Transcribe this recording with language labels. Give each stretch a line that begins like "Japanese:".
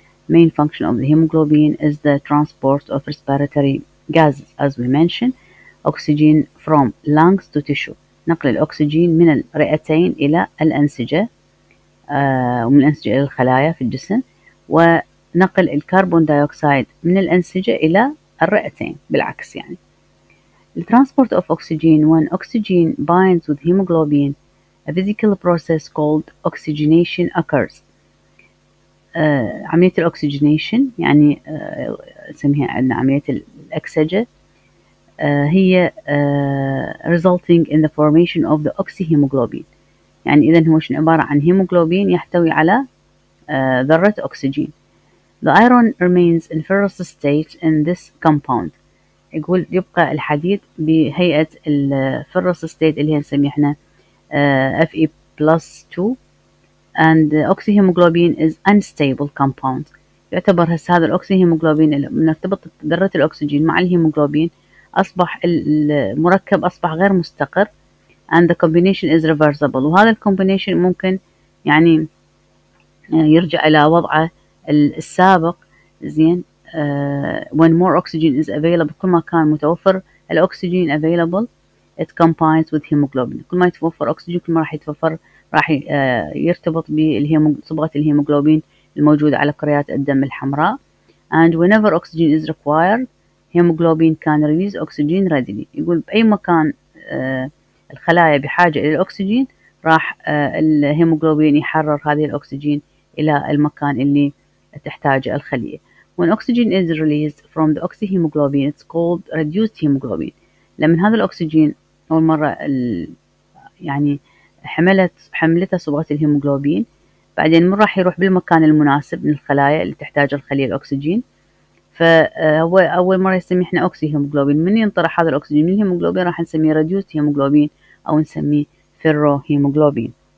English: Main function of the hemoglobin is the transport of respiratory gases as we mentioned. Oxygen from lungs to tissue.
Arabic: نقل الأكسجين من الرئتين إلى الأنسجة ومن الأنسجة إلى الخلايا في الجسم. ونقل الكربون دايوكسيد من الأنسجة إلى الرئتين بالعكس يعني.
English: The transport of oxygen. When oxygen binds with hemoglobin, a physical process called oxygenation occurs.
Arabic: عملية الأكسجينيشن يعني نسميها عملية الأكسجة هي
English: resulting in the formation of the oxyhemoglobin.
Arabic: يعني إذا هو شنو عبارة عن هيموغلوبين يحتوي على ذرة أكسجين.
English: The iron remains in ferrous state in this compound.
Arabic: يقول يبقى الحديد بهيئة الفيروس state اللي هي نسميها احنا Fe+2.
English: And oxyhemoglobin is unstable compound.
Arabic: يعتبر هسه هذا الأكسيهيموغلوبين المرتبط ذرة الأكسجين مع الهيموغلوبين أصبح المركب أصبح غير مستقر.
English: And the combination is reversible.
Arabic: وهذا الكومبينيشن ممكن يعني يرجع إلى وضعه السابق. زين
English: when more oxygen is available
Arabic: كل ما كان متوفر
English: الاكسجين available at combines with haemoglobin.
Arabic: كل ما يتوفر اكسجين كل ما راح يتوفر راح يرتبط بصبغه الهيموجلوبين الموجوده على كريات الدم الحمراء.
English: And whenever oxygen is required, hemoglobin can release oxygen readily.
Arabic: يقول بأي مكان الخلايا بحاجة إلى الأكسجين راح الهيموغلوبين يحرر هذه الأكسجين إلى المكان اللي تحتاجه الخلية.
English: When oxygen is released from the oxyhemoglobin, it's called reduced hemoglobin.
Arabic: لما هذا الأكسجين أول مرة يعني حملته صبغة الهيموغلوبين، بعدين من راح يروح بالمكان المناسب من الخلايا اللي تحتاج الخليه الاكسجين، فهو اول مره يسميه احنا اوكسي هيموجلوبين. من ينطرح هذا الاكسجين من الهيموجلوبين راح نسميه ريدوس هيموجلوبين او نسميه فيرو هيموجلوبين.